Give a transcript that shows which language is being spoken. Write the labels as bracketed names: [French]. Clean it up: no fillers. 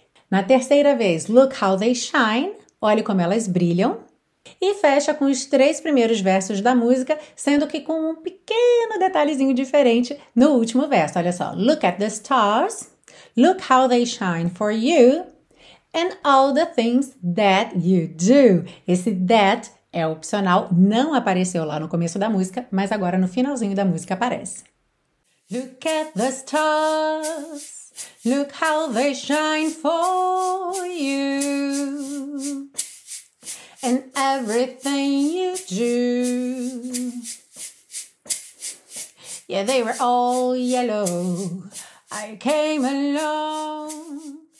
[Portuguese] Na terceira vez, [English] look how they shine, [Portuguese] olhe como elas brilham. E fecha com os três primeiros versos da música, sendo que com um pequeno detalhezinho diferente no último verso. Olha só: [English] Look at the stars, look how they shine for you, and all the things that you do. [Portuguese] Esse that é opcional, não apareceu lá no começo da música, mas agora no finalzinho da música aparece. [English] Look at the stars. Look how they shine for you. And everything you do. Yeah, they were all yellow. I came along.